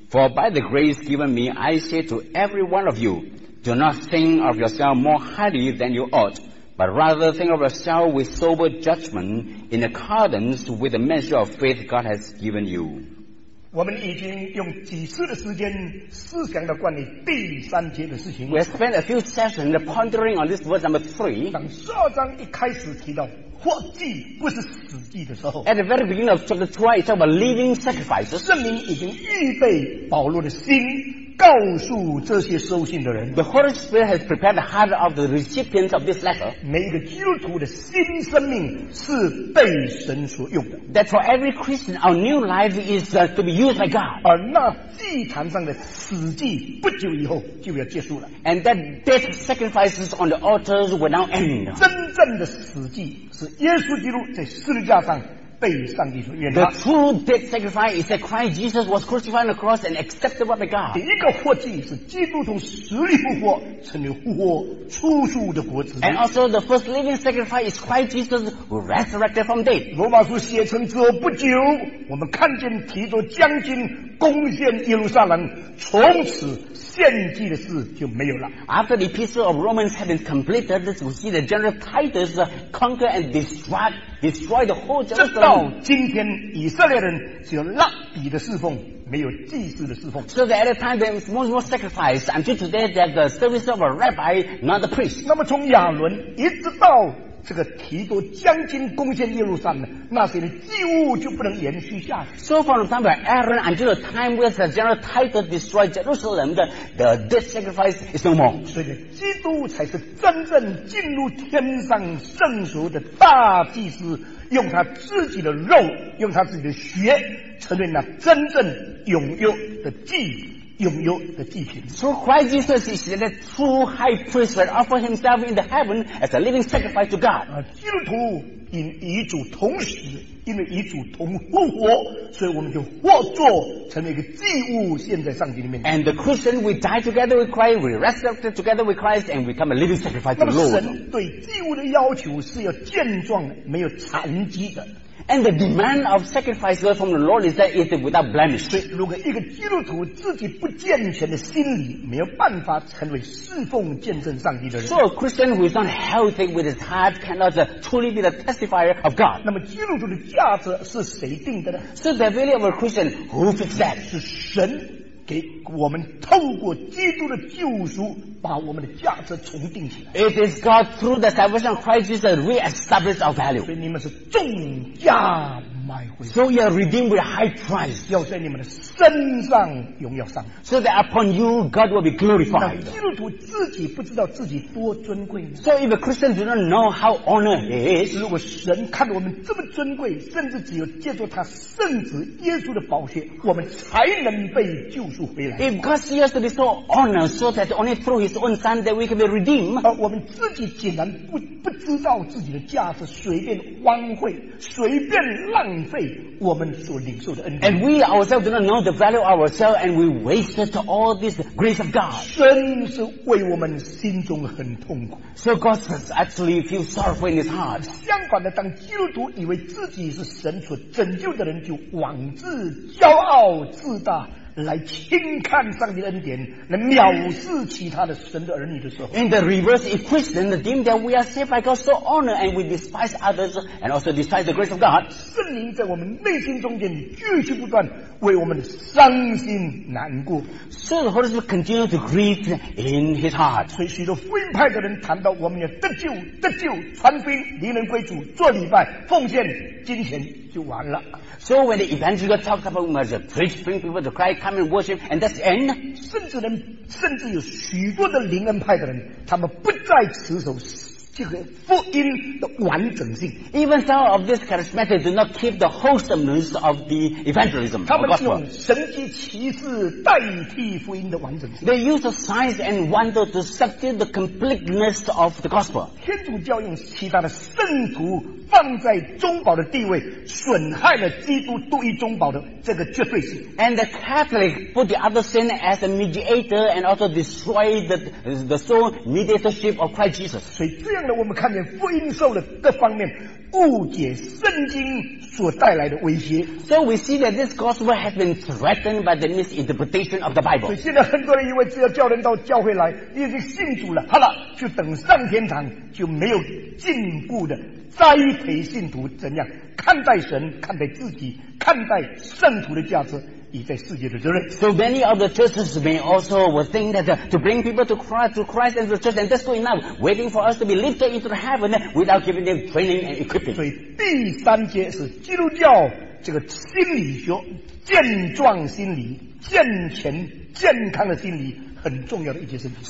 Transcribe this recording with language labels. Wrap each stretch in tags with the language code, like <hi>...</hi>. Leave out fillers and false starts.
<en>For by the grace given me, I say to every one of you, do not think of yourself more highly than you ought, but rather think of yourself with sober judgment in accordance with the measure of faith God has given you.</en> <zh>我们已经用几次的时间思想了关于第三节的事情。</zh> <en>We have spent a few sessions pondering on this verse number three.</en> <zh>当十二章一开始提到活祭不是死祭的时候</zh> <en>At the very beginning of chapter 2 it's about living sacrifices</en> <zh>圣灵已经预备保罗的心告诉这些收信的人</zh> <en>The Holy Spirit has prepared the heart of the recipients of this letter</en> <zh>每一个基督徒的新生命是被神所用的</zh> <en>That for every Christian our new life is to be used by God</en> <zh>而那祭坛上的死祭不久以后就要结束了</zh> <en>And that death sacrifices on the altars will now end</en> <zh>真正的死祭是耶稣基督在十字架上被上帝所悦纳。</zh> <en>The true death sacrifice is that Christ Jesus was crucified on the cross and accepted by God.</en> <zh>第一个活祭是基督从死里复活，成为复活出处的活子。</zh> <en>And also the first living sacrifice is Christ Jesus who resurrected from death.</en> <zh>罗马书写成之后不久，我们看见提多将军攻陷耶路撒冷，从此。献祭的事就没有了。</zh> <en>After the epistle of Romans had been completed, we see the general Titus conquer and destroy the whole Jerusalem.</en> <zh>直到今天，以色列人只有拉比的侍奉，没有祭司的侍奉。</zh> <en>So that at the time there was no more sacrifice, until today there's the service of a rabbi, not the priest.</en> <zh>那么从亚伦一直到这个提多将军攻陷耶路撒冷，那些的祭物就不能延续下去。</zh> <en>So from the time of Aaron until the time when the general Titus destroyed Jerusalem, the death sacrifice is no more.</en> <zh>所以，基督才是真正进入天上圣所的大祭司，用他自己的肉，用他自己的血，成为那真正永有的祭。拥有的祭品</zh> <en>So Christ Jesus is the true high priest that offer himself in the heaven as a living sacrifice to God</en> <zh>基督徒因与主同死因为与主同复活所以我们就获作成为一个祭物献在上帝的面前</zh> <en>And the Christian we die together with Christ we resurrect together with Christ and become a living sacrifice to the Lord</en> <zh>那么神对祭物的要求是要健壮的没有残疾的</zh> <en>And the demand of sacrifice from the Lord is that it is without blemish.</en> <zh>所以，如果一个基督徒自己不健全的心理，没有办法成为侍奉见证上帝的人。</zh> <en>So a Christian who is not healthy with his heart cannot truly be the testifier of God.</en> <zh>那么，基督徒的价值是谁定的呢</zh> <en>？So the value of a Christian who fixed that</en> <zh>是神给我们透过基督的救赎。把我们的价值重定起来。</zh> <en>It is God through the salvation of Christ Jesus that we establish our value.</en> <zh>所以你们是重价买回。</zh> <en>So you are redeemed with a high price.</en> <zh>要在你们的身上荣耀上。</zh> <en>So that upon you, God will be glorified.</en> <zh>那基督徒自己不知道自己多尊贵吗</zh> <en>？So if a Christian do not know how honor he is,</en> <zh>如果神看我们这么尊贵，甚至只有借助他圣子耶稣的宝血，我们才能被救赎回来。</zh> <en>If God sees us to be so honored, so that only through His own son that we can be redeemed.</en> <zh>而我们自己竟然 不知道自己的价值，随便荒废，随便浪费我们所领受的恩典。</zh> <en>And we ourselves do not know the value of ourselves, and we wasted all this grace of God.</en> <zh>神是为我们心中很痛苦。</zh> <en>So God actually feels sorrowful in His heart.</en> <zh>相反的，当基督徒以为自己是神所拯救的人，就妄自骄傲自大。来轻看上帝的恩典，来藐视其他的神的儿女的时候。</zh> <en>In the reverse, if Christians deem that we are saved by God, so honor and we despise others and also despise the grace of God,</en> <zh>圣灵在我们内心中间继续不断为我们的伤心难过。</zh> <en>So the Holy Spirit continues to grieve in his heart.</en> <zh>所以许多福音派的人谈到我们要得救、得救、传福音、离人归主、做礼拜、奉献、金钱就完了。</zh> <en>So when the evangelical talks about we must preach, bring people to Christ, come and worship, and that's the end.</en> <zh>甚至有许多的灵恩派的人，他们不再持守这个福音的完整性。</zh> <en>Even some of these charismatic do not keep the wholesomeness of the evangelism.</en> <zh>他们用神迹奇事代替福音的完整性。</zh> <en>They use the signs and wonders to substitute the completeness of the gospel.</en> <zh>天主教用其他的圣徒放在中保的地位，损害了基督独一中保的这个绝对性。</zh> <en>And the Catholic put the other saint as a mediator and also destroyed the sole mediatorship of Christ Jesus.</en> <zh>所以这样的我们看见福音受了各方面误解圣经所带来的威胁。</zh> <en>So we see that this gospel has been threatened by the misinterpretation of the Bible.</en> <zh>所以现在很多人以为只要叫人到教会来，你已经信主了，好了，就等上天堂，就没有进步的栽培信徒怎样看待神、看待自己、看待圣徒的价值以在世界的责任。</zh> <en>So many of the churches may also think that to bring people to Christ and the church, and that's good enough, waiting for us to be lifted into the heaven without giving them training and equipping.</en> <zh>所以第三节是基督教这个心理学，健壮心理、健全健康的心理很重要的一件事情。</zh>